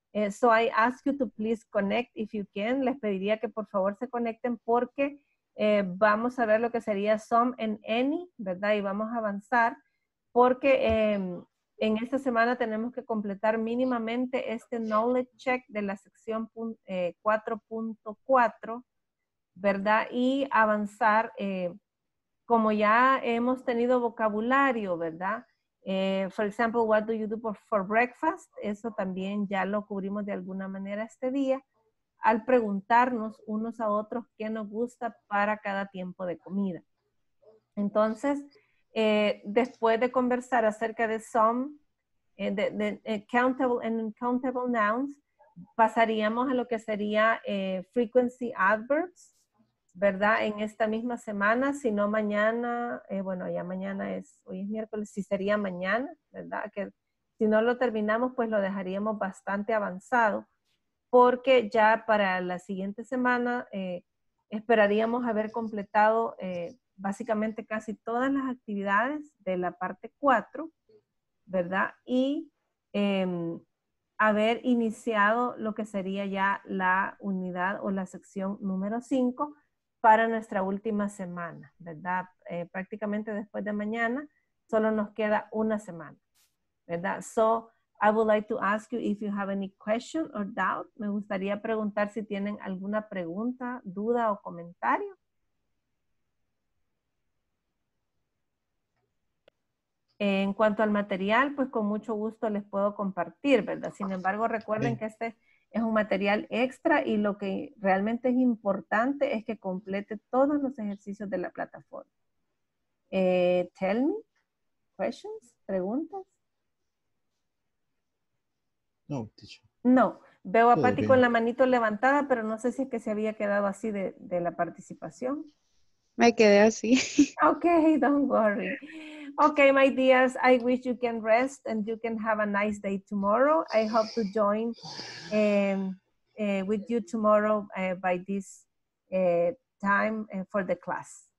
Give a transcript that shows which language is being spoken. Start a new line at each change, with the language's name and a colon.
English: So I ask you to please connect if you can.
Spanish: Les pediría que por favor se conecten porque vamos a ver lo que sería some and any, ¿verdad? Y vamos a avanzar porque en esta semana tenemos que completar mínimamente este knowledge check de la sección 4.4, ¿verdad? Y avanzar, como ya hemos tenido vocabulario, ¿verdad?
English: For example, what do you do for breakfast?
Spanish: Eso también ya lo cubrimos de alguna manera este día, al preguntarnos unos a otros qué nos gusta para cada tiempo de comida. Entonces, después de conversar acerca de some, de countable and uncountable nouns, pasaríamos a lo que sería frequency adverbs, ¿verdad? En esta misma semana, si no mañana, bueno, ya mañana es, hoy es miércoles, si sería mañana, ¿verdad? Que si no lo terminamos, pues lo dejaríamos bastante avanzado, porque ya para la siguiente semana esperaríamos haber completado básicamente casi todas las actividades de la parte 4, ¿verdad? Y haber iniciado lo que sería ya la unidad o la sección número 5 para nuestra última semana, ¿verdad? Prácticamente después de mañana solo nos queda una semana, ¿verdad?
English: So, I would like to ask you if you have any question or doubt.
Spanish: Me gustaría preguntar si tienen alguna pregunta, duda o comentario. En cuanto al material, pues con mucho gusto les puedo compartir, ¿verdad? Sin embargo, recuerden que este es un material extra y lo que realmente es importante es que complete todos los ejercicios de la plataforma.
English: Tell me, questions,
Spanish: preguntas.
English: No, teacher.
Spanish: No, veo a Patty con la manito levantada, pero no sé si es que se había quedado así de la participación. Me quedé así.
English: Okay, don't worry. Okay, my dears, I wish you can rest and you can have a nice day tomorrow. I hope to join with you tomorrow by this time for the class.